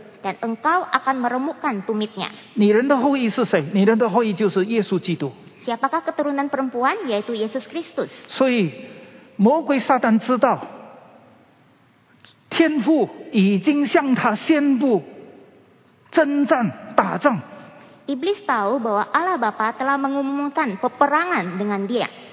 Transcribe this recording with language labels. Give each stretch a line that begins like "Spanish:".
Indonesian: Dan engkau akan meremukkan tumitnya.
Chinese: 女人的后裔是谁? 女人的后裔就是耶稣基督。
Indonesian: Siapakah keturunan perempuan? Yaitu Yesus Kristus.
Chinese: 所以魔鬼撒旦知道 天父已经向他宣布征战打仗。
Indonesian: Iblis tahu bahwa Allah Bapa telah mengumumkan peperangan dengan dia.